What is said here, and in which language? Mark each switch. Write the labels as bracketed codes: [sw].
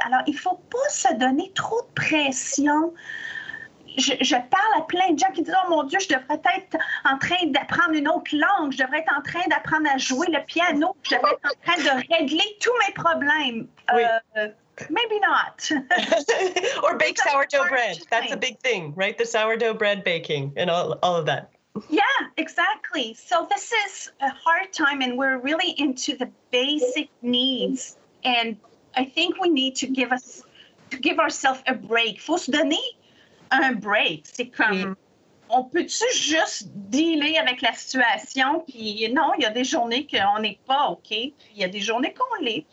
[fr] Alors, il ne faut pas se donner trop de pression. Je parle à plein de gens qui disent « Oh mon Dieu, je devrais être en train d'apprendre une autre langue, je devrais être en train d'apprendre à jouer le piano, je devrais être en train de régler tous mes problèmes. Oui. » [en] Maybe not. Or bake sourdough bread. That's a big thing, right? The sourdough bread baking and all of that. Yeah, exactly. So this is a hard time and we're really into the basic needs. And I think we need to give ourselves a break. [fr] Faut se donner un break. C'est comme, on peut-tu juste dealer avec la situation? Puis non, il y a des journées qu'on n'est pas OK. Puis il y a des journées qu'on l'est.